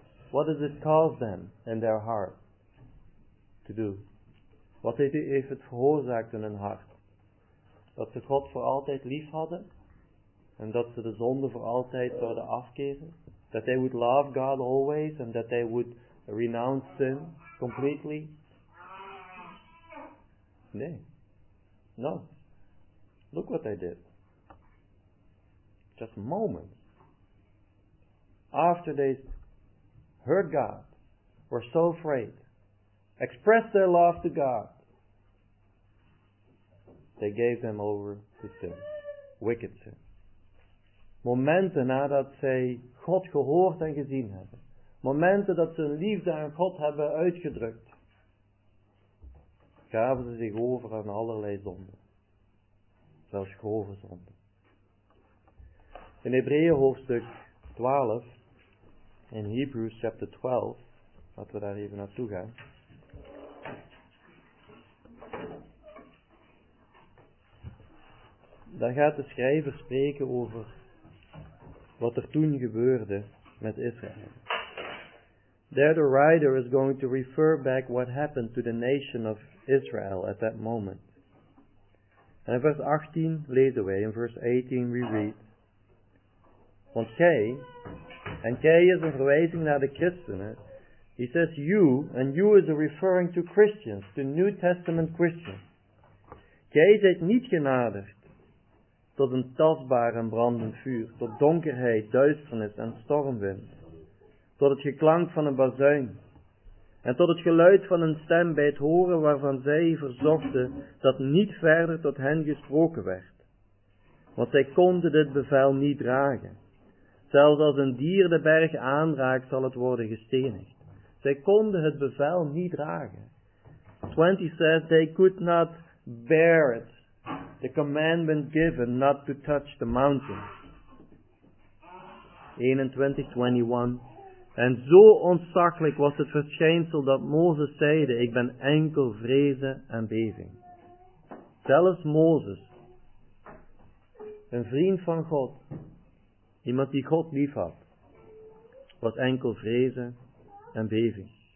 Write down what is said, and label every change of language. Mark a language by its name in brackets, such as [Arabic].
[English] What did it cause them in their heart to do? [Dutch] Wat heeft het veroorzaakt in hun hart? Dat ze God voor altijd lief hadden? En dat ze de zonde voor altijd zouden afkeren? [English] That they would love God always and that they would renounce sin completely? Nee. No. Look what they did. Just moments after they heard God, were so afraid, expressed their love to God, they gave them over to sin. Wicked sin. [Dutch] Momenten nadat zij God gehoord en gezien hebben. Momenten dat ze hun liefde aan God hebben uitgedrukt. Gaven ze zich over aan allerlei zonden. Zelfs grove zonden. In Hebreeën hoofdstuk 12. [English] In Hebrews chapter 12. [Dutch] Laten we daar even naartoe gaan. Daar gaat de schrijver spreken over wat er toen gebeurde met Israël. [English] There the writer is going to refer back what happened to the nation of Israel at that moment. [Dutch] En in vers 18 lezen wij, in vers 18 [English] we read. [Dutch] Want gij, en gij is een verwijzing naar de christenen. [English] He says you, and you is a referring to Christians, to New Testament Christians. [Dutch] Gij zijt niet genaderd tot een tastbaar en brandend vuur, tot donkerheid, duisternis en stormwind. Tot het geklank van een bazuin. En tot het geluid van een stem bij het horen waarvan zij verzochten dat niet verder tot hen gesproken werd. Want zij konden dit bevel niet dragen. Zelfs als een dier de berg aanraakt zal het worden gestenigd. Zij konden het bevel niet dragen. [English] 20 says they could not bear it. The commandment given not to touch the mountain. 21. [Dutch] En zo ontzaglijk was het verschijnsel dat Mozes zeide, ik ben enkel vrezen en beving. Zelfs Mozes, een vriend van God, iemand die God lief had, was enkel vrezen en beving.